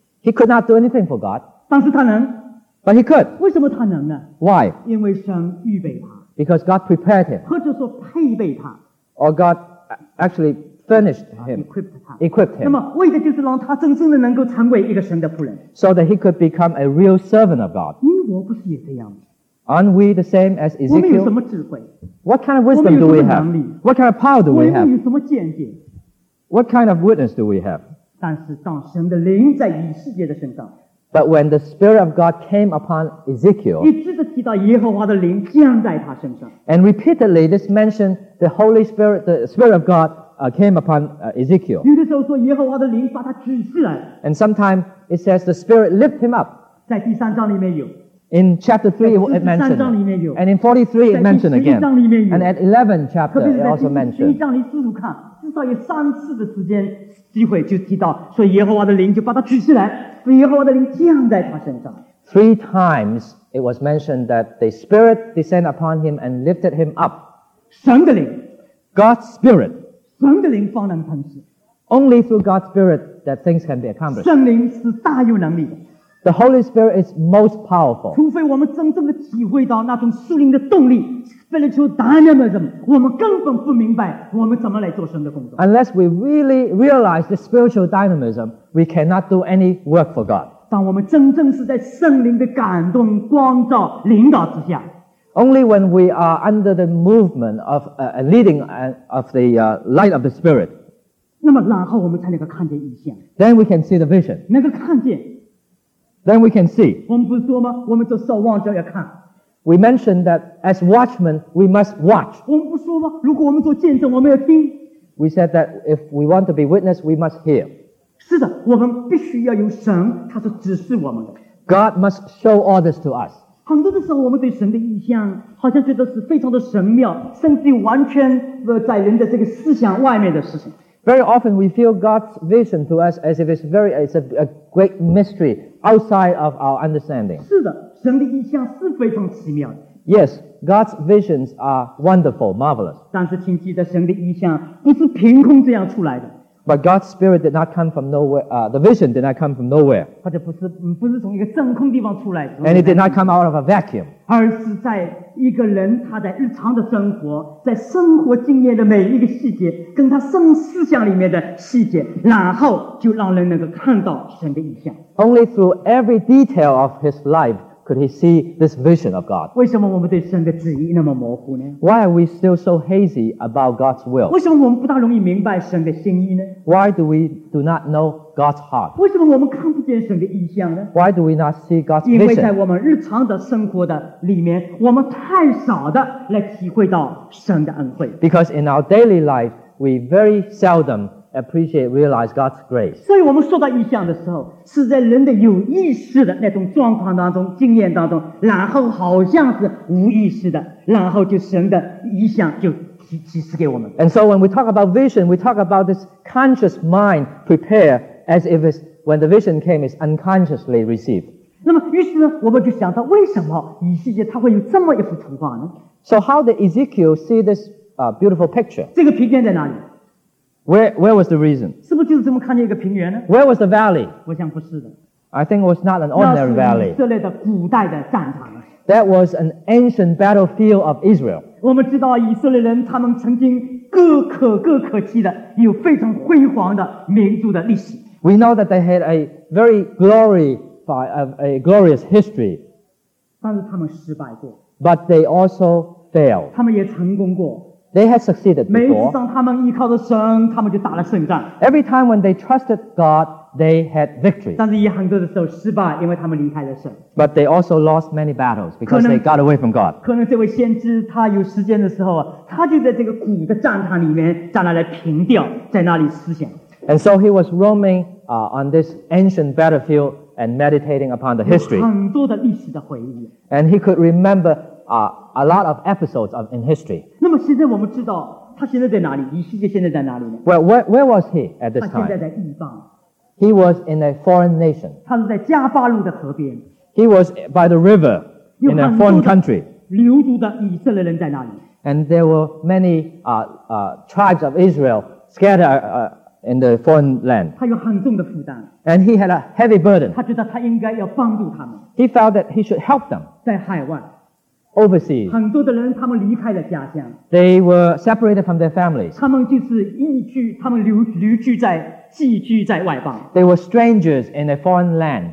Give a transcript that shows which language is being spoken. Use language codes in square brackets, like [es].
[en] He could not do anything for God. [zh] 但是他能。 [en] But he could. [zh] 为什么他能呢？ [en] Why? [zh] 因为神预备他。 [en] Because God prepared him. [zh] 或者说配备他。 [en] Or God actually furnished him. Equipped him. [zh] 那么为的就是让他真正的能够成为一个神的仆人。 [en] So that he could become a real servant of God. [zh] 你我不是也这样吗？ [en] Aren't we the same as Ezekiel? [zh] 我们有什么智慧？ [en] What kind of wisdom do we have? What kind of power do we have? [zh] 我们有什么见解？ [en] What kind of witness do we have? [zh] 但是当神的灵在以西结的身上。 [en] But when the Spirit of God came upon Ezekiel, [zh] 一直地提到耶和华的灵降在他身上。 [en] And repeatedly this mentioned the Holy Spirit, the Spirit of God,came upon Ezekiel. [zh] 有的时候说耶和华的灵把他举起来。 [en] And sometimes it says the Spirit lift him up. [zh] 在第三章里面有。 [en] In chapter 3 it mentioned. And in 43 it mentioned again. And at 11 chapter it also mentioned. [zh] 在第十一章里面有。至少有三次的时间机会就提到说耶和华的灵就把他举起来，说耶和华的灵降在他身上。 [en] Three times it was mentioned that the Spirit descended upon him and lifted him up. [zh] 神的灵。 [en] God's Spirit. [zh] 神的灵方能成事。 [en] Only through God's Spirit that things can be accomplished. [zh] 圣灵是大有能力的。 [en] The Holy Spirit is most powerful. [zh] 除非我们真正的体会到那种属灵的动力。 [en] Spiritual dynamism, [zh] 我们根本不明白我们怎么来做神的工作。 [en] Unless we really realize the spiritual dynamism, we cannot do any work for God. [zh] 当我们真正是在圣灵的感动、光照、领导之下。 [en] Only when we are under the movement of leading of the light of the Spirit. [zh] 那么然后我们才能够看见异象。 [en] Then we can see the vision. [zh] 能够看见。 [en] Then we can see. [zh] 我们不是说吗？我们做守望者要看。 [en] We mentioned that as watchmen, we must watch. [zh] 我们不说吗？如果我们做见证，我们要听。 [en] We said that if we want to be witness, we must hear. [zh] 是的，我们必须要有神，他是指示我们的。 [en] God must show all this to us. [zh] 很多的时候，我们对神的意象好像觉得是非常的神妙，甚至完全在人的这个思想外面的事情。 [en] Very often we feel God's vision to us as if it's very, it's a great mystery outside of our understanding. [zh] 是的，神的意象是非常奇妙的。 [en] Yes, God's visions are wonderful, marvelous. [zh] 但是请记得，神的意象不是凭空这样出来的。 [en] But God's spirit did not come from nowhere. The vision did not come from nowhere. [zh] 或者不是从一个真空地方出来。 [en] And it did not come out of a vacuum. [zh] 而是在一个人他在日常的生活，在生活经验的每一个细节，跟他生思想里面的细节，然后就让人能够看到神的意象。 [en] Only through every detail of his life could he see this vision of God. [zh] 为什么我们对神的旨意那么模糊呢？ [en] Why are we still so hazy about God's will? [zh] 为什么我们不大容易明白神的心意呢？ [en] Why do we do not know God's heart? [zh] 为什么我们看不见神的意象呢？ [en] Why do we not see God's vision? [zh] 因为在我们日常的生活的里面，我们太少的来体会到神的恩惠。 [en] Because in our daily life, we very seldom appreciate, realize God's grace. [zh] 所以我们说到意象的时候，是在人的有意识的那种状况当中、经验当中，然后好像是无意识的，然后就神的意象就提示给我们。 [en] And so when we talk about vision, we talk about this conscious mind prepare as if it's, when the vision came, it's unconsciously received. [zh] 那么于是呢，我们就想到为什么以西结他会有这么一幅图画呢？ [en] So how did Ezekiel see this beautiful picture? [zh] 这个平原在哪里？ [en] Where was the reason? [zh] 是不是就是这么看见一个平原呢？ [en] Where was the valley? [zh] 我想不是的。 [en] I think it was not an ordinary valley. [zh] 那是以色列的古代的战场。 [en] That was an ancient battlefield of Israel. [zh] 我们知道以色列人他们曾经各可期的有非常辉煌的民族的历史。 [en] We know that they had a very glorious history. [zh] 但是他们失败过。 [en] But they also failed. [zh] 他们也成功过。 [en] They had succeeded before. [zh] 每次当他们依靠着神，他们就打了胜仗。 [en] Every time when they trusted God, they had victory. [zh] 但是也很多的时候失败，因为他们离开了神。 [en] But they also lost many battles because they got away from God. [zh] 可能这位先知他有时间的时候，他就在这个古的战场里面站来凭吊，在那里思想。 [en] And so he was roaming on this ancient battlefield and meditating upon the history. [zh] 有很多的历史的回忆。 [en] And he could remember a lot of episodes in history. [zh] 那么现在我们知道他现在在哪里？以西结现在在哪里呢？ [en] Well, where was he at this time? [zh] 他现在在异邦。 [en] He was in a foreign nation. [zh] 他是在加巴路的河边。 [en] He was by the river in a foreign country. [zh] 流族的以色列人在哪里？ [en] And there were many tribes of Israel scattered in the foreign land. [zh] 他有很重的负担。 [en] And he had a heavy burden. [zh] 他觉得他应该要帮助他们。 [en] He felt that he should help them. [zh] 在海外。 [en] Overseas, [zh] 很多的人他们离开了家乡。 [en] They were separated from their families. [zh] 他们就是异居，他们寄居在外邦。 [en] They were strangers in a foreign land.